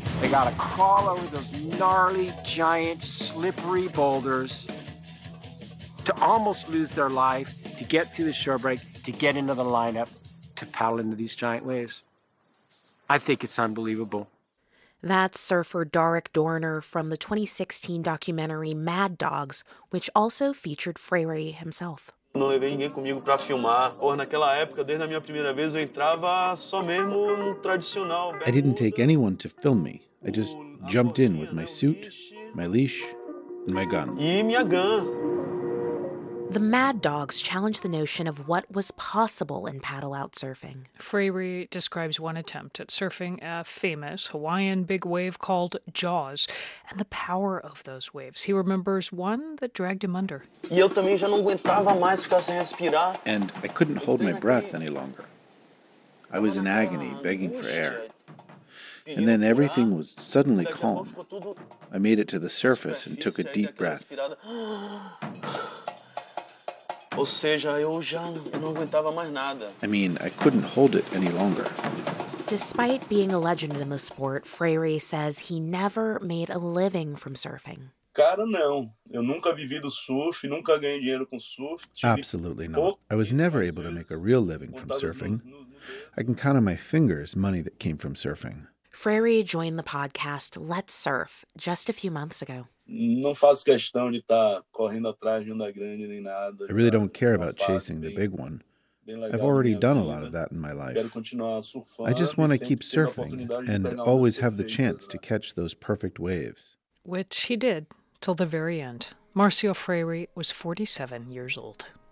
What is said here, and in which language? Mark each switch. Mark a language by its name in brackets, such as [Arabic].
[English] They gotta crawl over those gnarly, giant, slippery boulders to almost lose their life, to get through the shore break, to get into the lineup, to paddle into these giant waves. I think it's unbelievable. That's surfer Derek Dorner from the 2016 documentary Mad Dogs, which also featured Freire himself. [Portuguese] Não levei ninguém comigo para filmar. Ou naquela época, desde a minha primeira vez, eu entrava só mesmo no tradicional. [English] I didn't take anyone to film me. I just jumped in with my suit, my leash, and my gun. [Portuguese] E minha gun. [English] The Mad Dogs challenged the notion of what was possible in paddle-out surfing. Freire describes one attempt at surfing a famous Hawaiian big wave called Jaws and the power of those waves. He remembers one that dragged him under. [Portuguese] E eu também já não aguentava mais ficar sem respirar. [English] And I couldn't hold my breath any longer. I was in agony, begging for air. And then everything was suddenly calm. I made it to the surface and took a deep breath. [Portuguese] Ou seja, eu não aguentava mais nada. [English] I mean, I couldn't hold it any longer. Despite being a legend in the sport, Freire says he never made a living from surfing. [Portuguese] Cara, não. Eu nunca vivi do surf, nunca ganhei dinheiro com surf. [English] Absolutely not. I was never able to make a real living from surfing. I can count on my fingers money that came from surfing. Freire joined the podcast Let's Surf just a few months ago. [Portuguese] Não faço questão de estar correndo atrás de onda grande nem nada. [English] I really don't care about chasing the big one. I've already done a lot of that in my life. [Portuguese] Quero continuar surfando. [English] I just want to keep surfing and always have the chance to catch those perfect waves. Which he did till the very end. Marcio Freire was 47 years old.